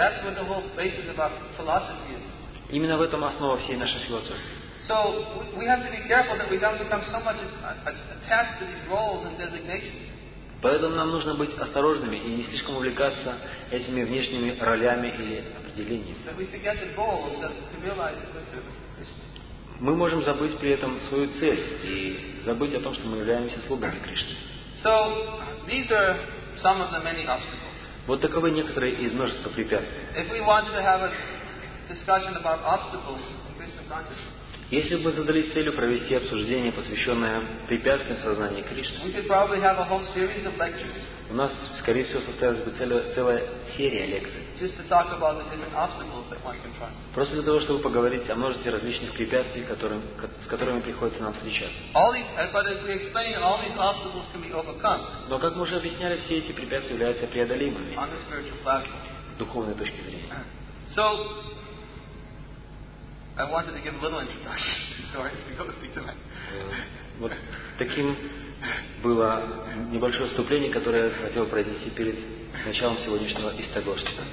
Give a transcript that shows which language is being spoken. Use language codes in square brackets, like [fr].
[en] That's what the whole basis of our philosophy is. [ru] Именно в этом основа всей нашей философии. [en] So we have to be careful that we don't become so much attached to these roles and designations. [ru] Поэтому нам нужно быть осторожными и не слишком увлекаться этими внешними ролями или определениями. [en] But we forget the goal to realize that we're serving Krishna. [ru] Мы можем забыть при этом свою цель и забыть о том, что мы являемся слугами Кришны. [en] So these are some of the many obstacles. [ru] Вот таковы некоторые из множества препятствий. [en] If we want to have a discussion about obstacles in Krishna consciousness, [ru] если бы задались целью провести обсуждение, посвященное препятствиям сознания Кришны, [en] we could probably have a whole series of lectures. [ru] У нас, скорее всего, состоялась бы целая серия лекций. [en] Just to talk about the different obstacles that one confronts. [ru] Просто для того, чтобы поговорить о множестве различных препятствий, с которыми приходится нам встречаться. [en] But as we explained, all these obstacles can be overcome. [ru] Но, как мы уже объясняли, все эти препятствия являются преодолимыми. [en] On the spiritual platform. [ru] С духовной точки зрения. [en] So, I wanted to give a little introduction. Sorry, if you don't speak to me. [ru] Вот таким было небольшое вступление, которое я хотел произнести перед началом сегодняшнего истогошта.